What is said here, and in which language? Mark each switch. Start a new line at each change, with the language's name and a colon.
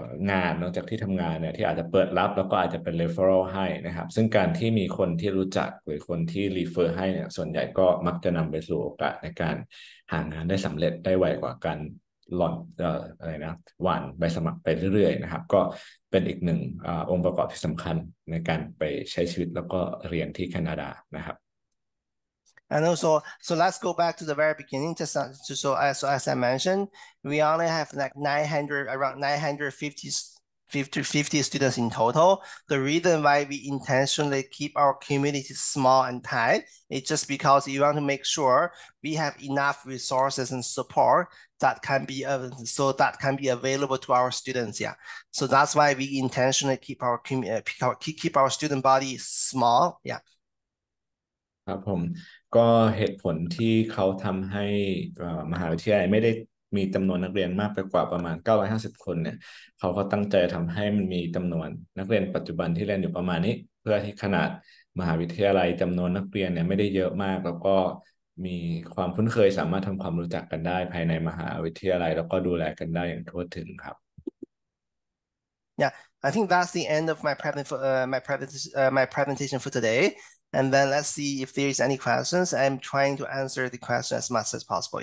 Thai: งานนอกจากที่ทำงานเนี่ยที่อาจจะเปิดรับแล้วก็อาจจะเป็น referral ให้นะครับซึ่งการที่มีคนที่รู้จักหรือคนที่ refer ให้เนี่ยส่วนใหญ่ก็มักจะนำไปสู่โอกาสในการหางานได้สำเร็จได้ไวกว่าการหล่อนอะไรนะหว่านใบสมัครไปเรื่อยๆนะครับก็เป็นอีกหนึ่งองค์ประกอบที่สำคัญในการไปใช้ชีวิตแล้วก็เรียนที่แคนาดานะครับ
English: And also, so let's go back to the very beginning. So as I mentioned, we only have like 900, around 950 students in total. The reason why we intentionally keep our community small and tight is just because we want to make sure we have enough resources and support that can be available to our students. Yeah. So that's why we intentionally keep our student body small. Yeah.
Thai: ครับผมก็เหตุผลที่เขาทำให้มหาวิทยาลัยไม่ได้มีจำนวนนักเรียนมากไปกว่าประมาณ950คนเนี่ยเขาก็ตั้งใจทำให้มันมีจำนวนนักเรียนปัจจุบันที่เรียนอยู่ประมาณนี้เพื่อที่ขนาดมหาวิทยาลัยจำนวนนักเรียนเนี่ยไม่ได้เยอะมากแล้วก็มีความคุ้นเคยสามารถทำความรู้จักกันได้ภายในมหาวิทยาลัยแล้วก็ดูแลกันได้อย่างทั่วถึงครับ
English: Yeah, I think that's the end of my presentation for today. And then let's see if there's any questions. I'm trying to answer the question as much as possible.